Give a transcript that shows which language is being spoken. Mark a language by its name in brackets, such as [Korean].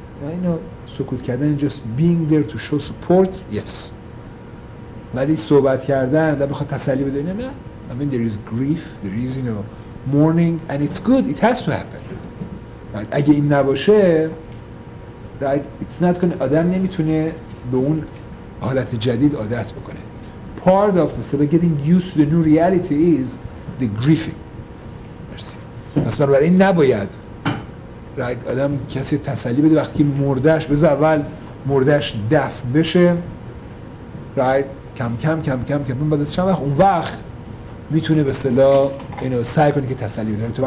[Persian] اینو سکوت کردن [English] just being there to show support yes، [Persian] ولی صحبت کردن در بخواد تسلی بده نه. [English] I mean there is grief, there is you know mourning and it's good, it has to happen right. [Persian] اگه این نباشه [English] right it's not gonna، [Persian] آدم نمیتونه به اون حالت جدید عادت بکنه. [English] Part of instead of getting used to the new reality is the grieving. [Persian] پس برای این نباید right آدم کسی تسلی بده وقتی مردش، بذار اول مردش دفن بشه right، کم کم بعد از چند وقت اون وقت میتونه به اصطلاح اینو سعی کنه که تسلی بده.